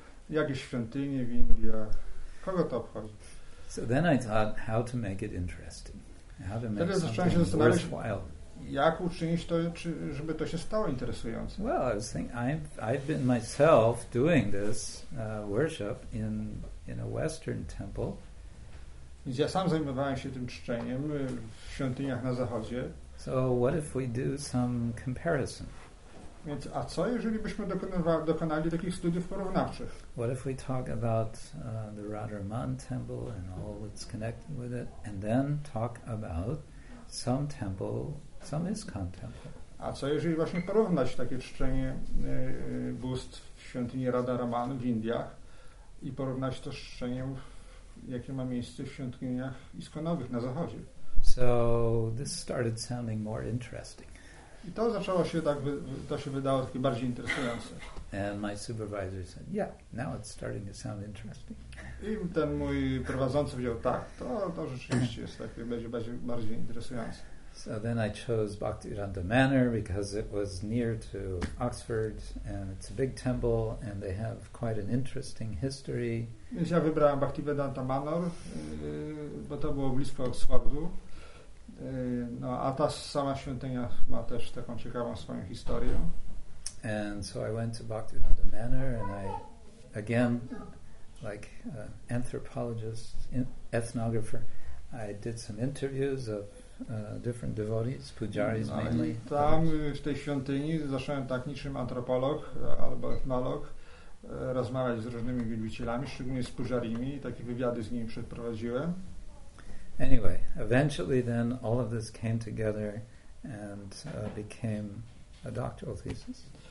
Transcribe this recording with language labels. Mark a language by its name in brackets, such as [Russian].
[Polish] Jakieś świątynie w Indiach. Kogo to obchodzi? [English] So then I thought how to make it interesting. How to make something worthwhile. [Polish] Jak uczynić to, żeby to się stało interesujące? [English] Well, I was thinking, I've been myself doing this worship in a Western temple. [Polish] Więc ja sam zajmowałem się tym czczeniem w świątyniach na zachodzie. [English] So what if we do some comparison? [Polish] Więc a co jeżeli byśmy dokonali takich studiów porównawczych? [English] What if we talk about the Radharaman temple and all that's connected with it, and then talk about some temple, some ISKCON temple? [Polish] A co jeżeli właśnie porównać takie czczenie bóstw w świątyni Radharaman w Indiach i porównać to z czczeniem, jakie ma miejsce w świątyniach iskonowych na zachodzie? [English] So this started sounding more interesting. [Polish] I to zaczęło się tak, to się wydało takie bardziej interesujące. [English] And my supervisor said, yeah, now it's starting to sound interesting. [Polish] I ten mój prowadzący powiedział, tak, to rzeczywiście jest takie, będzie bardziej interesujące. [English] So then I chose Bhaktivedanta Manor because it was near to Oxford and it's a big temple and they have quite an interesting history. [Polish] Więc ja wybrałem Bhaktivedanta Manor, bo to było blisko Oxfordu. No, a ta sama świątynia ma też taką ciekawą swoją historię. [English] And so I went to Bhaktivedanta Manor and I, again, like anthropologist, ethnographer, I did some interviews of different devotees, pujaris no mainly. [Polish] Tam w tej świątyni zacząłem tak niczym antropolog albo etnolog rozmawiać z różnymi wielbicielami, szczególnie z pujarimi, takie wywiady z nimi przeprowadziłem. [English] Anyway, eventually then all of this came together and became a doctoral thesis.